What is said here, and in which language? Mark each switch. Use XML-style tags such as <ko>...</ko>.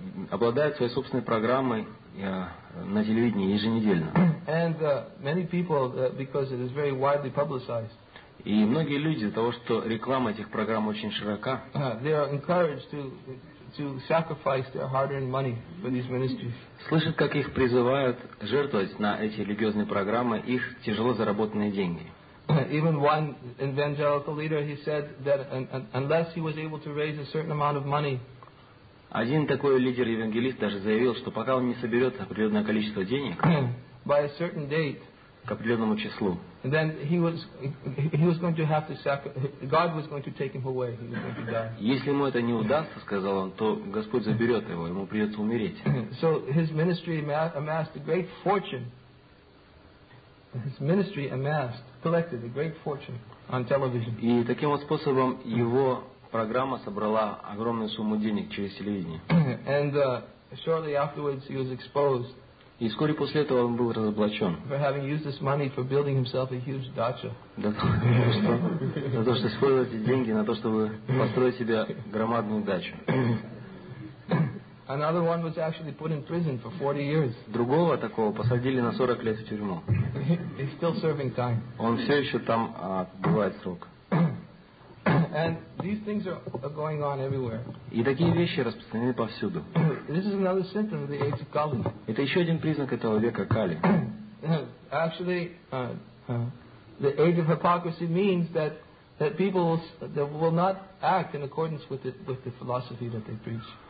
<ru>Обладают своей собственной программой на телевидении еженедельно.</ru> <en>And many people, because it is very widely publicized.</en> <ru>И многие люди из-за того, что реклама этих программ очень широка,</ru> <en>they are encouraged to sacrifice their hard-earned money for these ministries.</en> <ru>Слышат, как их призывают жертвовать на эти религиозные программы их тяжело заработанные деньги.</ru> <en>Even one evangelical leader, he said that unless he was able to raise a certain amount of money.</en> <ru>Один такой лидер-евангелист даже заявил, что пока он не соберет определенное количество денег,</ru> <en>by a certain date,</en> <ru>к определенному числу,</ru> <en>then he was going to have to sacrifice, God was going to take him away, he was going to die.</en> <ru>Если ему это не удастся, сказал он, то Господь заберет его, ему придется умереть.</ru> <en>So his ministry amassed a great fortune. His ministry amassed, collected a great fortune on television.</en> <ru>И таким вот способом его программа собрала огромную сумму денег через телевидение.</ru> <en>And shortly afterwards he was exposed.</en> <ru>И вскоре после этого он был разоблачен.</ru> <en>For having used this money for building himself a huge dacha.</en> <ru>За то, что использовал эти деньги на то, чтобы построить себе громадную дачу.</ru> <en>Another one was actually put in prison for 40 years.</en> <ru>Другого такого посадили на 40 лет в тюрьму.</ru> <en>He's still serving time.</en> <ru>Он все еще там отбывает срок.</ru> <en>And these things are going on everywhere.</en> <ru>И такие вещи распространены повсюду.</ru> <en>This is another symptom of the age of Kali.</en> <ru>Это еще один признак этого века Кали.</ru> <en>Actually, the age of hypocrisy means that people will not act in accordance with the philosophy that they preach.</en>